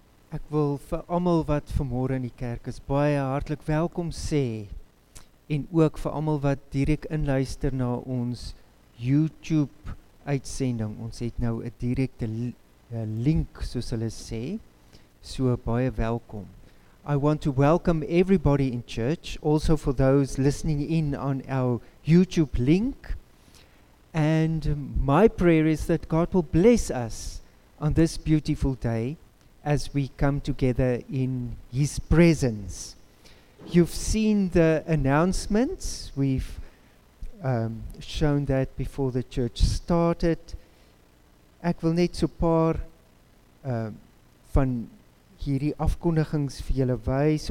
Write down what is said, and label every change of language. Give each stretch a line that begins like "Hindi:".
Afrikaans: Ek wil vir almal wat vanmôre in die kerk is baie hartlik welkom sê en ook vir almal wat direk inluister na ons YouTube uitsending. Ons het nou 'n direkte link soos hulle sê. So baie welkom.
English: I want to welcome everybody in church, also for those listening in on our YouTube link. And my prayer is that God will bless us on this beautiful day as we come together in His presence. You've seen the announcements. We've shown that before the church started.
Afrikaans: Ek wil net so paar van hierdie afkondigings vir julle wys.